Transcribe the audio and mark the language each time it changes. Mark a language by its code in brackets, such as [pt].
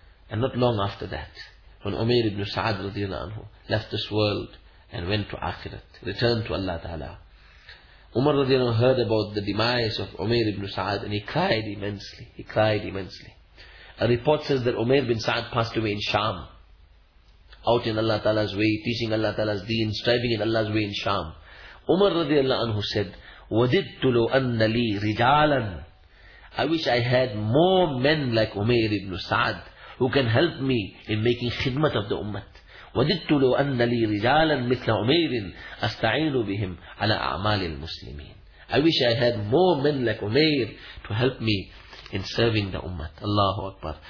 [en] And not long after that, when Umair ibn Sa'ad radiallahu anhu left this world and went to Akhirat, returned to Allah Ta'ala, Umar radiallahu anhu heard about the demise of Umair ibn Sa'ad and he cried immensely. A report says that Umair bin Sa'ad passed away in Sham, out in Allah Ta'ala's way, teaching Allah Ta'ala's deen, striving in Allah's way in Sham. Umar radiallahu anhu said, [ar] وَدِدْتُ لُوْ أَنَّ لِي رِجَالًا. [en] I wish I had more men like Umair ibn Sa'ad who can help me in making khidmat of the ummah. [ar] وَدِدْتُ لُوْ أَنَّ لِي رِجَالًا مِثْلَ عُمَيْرٍ أَسْتَعِينُ بِهِمْ عَلَىٰ أَعْمَالِ الْمُسْلِمِينَ. [en] I wish I had more men like Umair to help me in serving the ummah. Allahu Akbar.